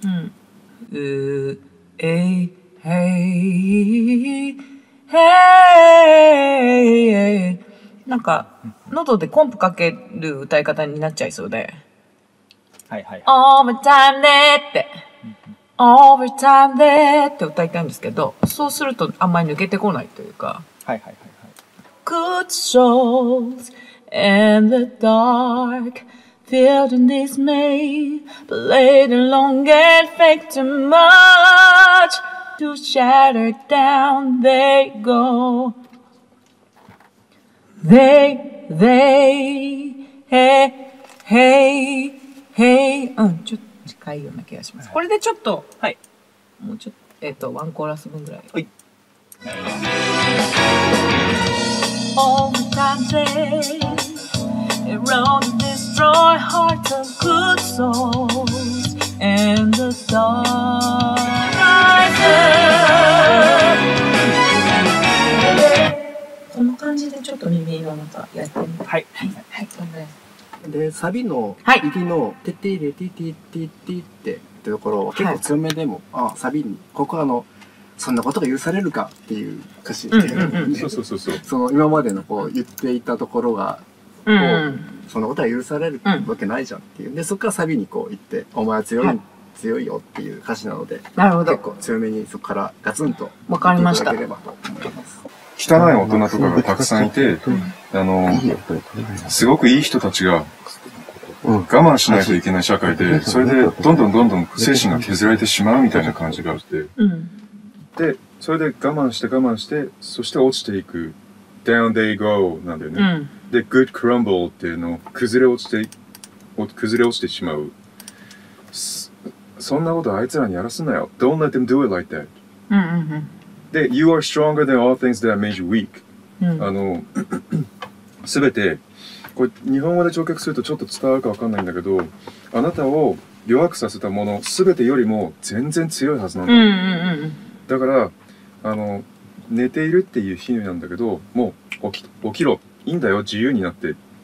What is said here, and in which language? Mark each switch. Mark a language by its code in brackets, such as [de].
[ja] うん。えいへいへいへい。なんか喉でコンプかける歌い方になっちゃいそうで。はいはい、はい。オーバータイムでって。オーバータイムでって歌いたいんですけど、そうするとあんまり抜けてこないというか。はいはいはい。 [en] Good souls in the dark, filled in dismay, played along and faked too much, to shatter down they go. They, hey, hey, hey. [ja] うん、ちょっと近いような気がします。これでちょっと、はい。もうちょっと、ワンコーラス分ぐらい。はい。 [en] All the time they erode and destroy hearts of good souls and the stars rise up. [ja] この感じでちょっと耳をなんかやってみて。はい。はい。はい。で、サビの入りの、てってれてってってってってところを結構強めでも、はい、あ、サビに、ここそんなことが許されるかっていう歌詞で、ね、うんうん、そうそうそう、その今までのこう言っていたところが、うんうん、そんなことは許されるわけないじゃんっていう、でそこからサビにこう言って、お前は強い、はい、強いよっていう歌詞なので、なるほど、結構強めにそこからガツンと言っていただければと思います。汚い大人とかがたくさんいて、すごくいい人たちが我慢しないといけない社会で、それでどんどんどんどん精神が削られてしまうみたいな感じがあって、うん、で、それで我慢して我慢して、そして落ちていく。 [en] down they go [ja] なんだよね。うん、で、 [en] good crumble [ja] っていうの、崩れ落ちてしまう。そんなことあいつらにやらすなよ。 [en] don't let them do it like that、 [ja] うんうんうん。 [en] で、you are stronger than all things that have made you weak、 [ja] うん。すべて、これ日本語で直訳するとちょっと伝わるかわかんないんだけど、あなたを弱くさせたもの、すべてよりも全然強いはずなんだ。うんうんうん、だから寝ているっていう比喩なんだけど、もう起きろ、いいんだよ、自由になって。